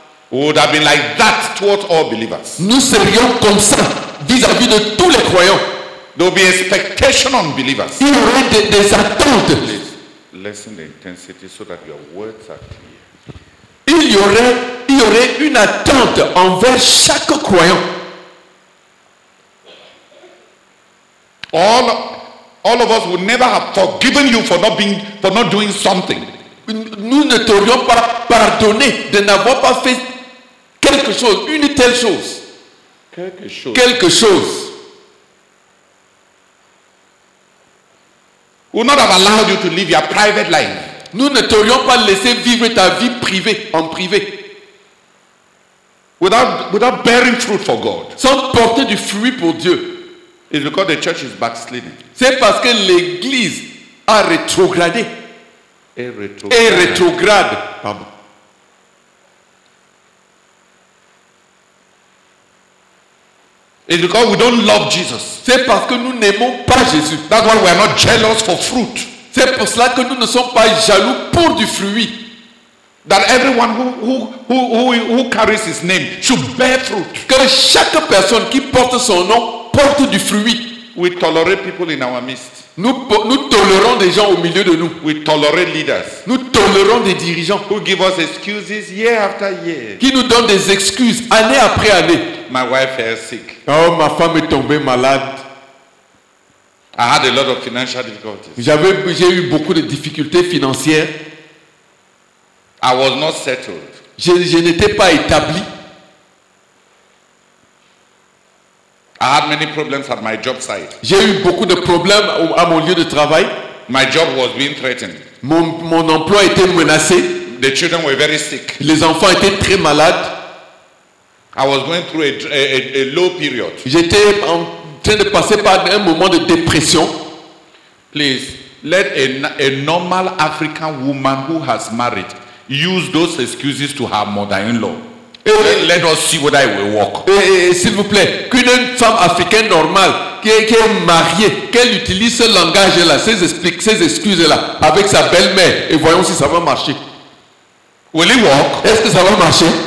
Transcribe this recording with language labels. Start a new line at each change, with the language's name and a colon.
English: we would have been like that towards all believers.
French: Nous serions comme ça vis-à-vis de tous les croyants.
English: There will be expectation on believers.
French: Il y aurait des attentes.
English: Please lessen the intensity so that your words are clear.
French: Il y aurait une attente envers chaque croyant.
English: All of us would never have forgiven you for not doing something.
French: Nous ne t'aurions pas pardonné de n'avoir pas fait quelque chose, une telle chose. Quelque chose.
English: We would not have allowed you to live your private life.
French: Nous ne t'aurions pas laissé vivre ta vie privée, en privé.
English: Without bearing fruit for God.
French: Sans porter du fruit pour Dieu.
English: It's because the church is backsliding.
French: C'est parce que l'église a rétrogradé. Et rétrograde. Pardon.
English: It's because we don't love Jesus.
French: C'est parce que nous n'aimons pas Jésus.
English: That's why we are not jealous for fruit.
French: C'est pour cela que nous ne sommes pas jaloux pour du fruit.
English: That everyone who carries his name should bear fruit.
French: Que chaque personne qui porte son nom porte du fruit.
English: We tolerate people in our midst.
French: Nous tolérons des gens au milieu de nous.
English: We tolerate leaders.
French: Nous tolérons des dirigeants.
English: Who give us excuses year after year.
French: Qui nous donnent des excuses année après année.
English: My wife is sick.
French: Oh, ma femme est tombée malade.
English: I had a lot of financial difficulties.
French: J'ai eu beaucoup de difficultés financières.
English: I was not settled.
French: Je n'étais pas établi.
English: I had many problems at my job site.
French: J'ai eu beaucoup de problèmes à mon lieu de travail.
English: My job was being threatened.
French: Mon emploi était menacé.
English: The children were very sick.
French: Les enfants étaient très malades.
English: I was going through a low period.
French: J'étais en train de passer par un moment de dépression.
English: Please let a normal African woman who has married use those excuses to her mother-in-law. Let us see whether it will work.
French: S'il vous plaît, qu'une femme africaine normale qui est mariée, qu'elle utilise ce langage-là, ces excuses-là avec sa belle-mère, et voyons si ça va marcher.
English: Will it work?
French: Est-ce que ça va marcher?